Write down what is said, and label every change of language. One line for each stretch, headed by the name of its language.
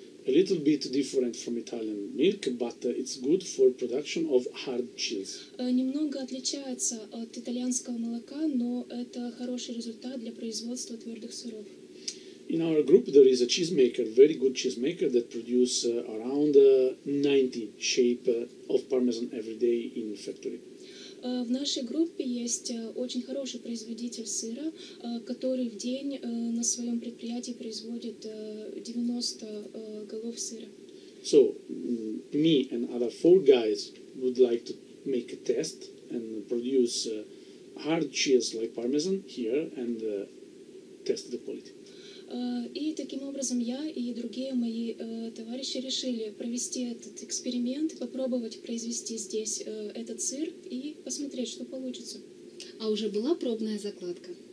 English: A little bit different from Italian milk, but it's good for production of hard cheese.
Russian: Немного отличается от итальянского молока, но это хороший результат для производства твердых сыров.
English: In our group there is a cheesemaker, very good cheesemaker, that produces around 90 shape of parmesan every day in factory.
Russian: В нашей группе есть очень хороший производитель сыра, который в день на своем предприятии производит 90 голов сыра.
English: So, me and other four guys would like to make a test and produce hard cheese like parmesan here and test the quality.
Russian: И таким образом я и другие мои товарищи решили провести этот эксперимент, попробовать произвести здесь этот сыр и посмотреть, что получится. А уже была пробная закладка?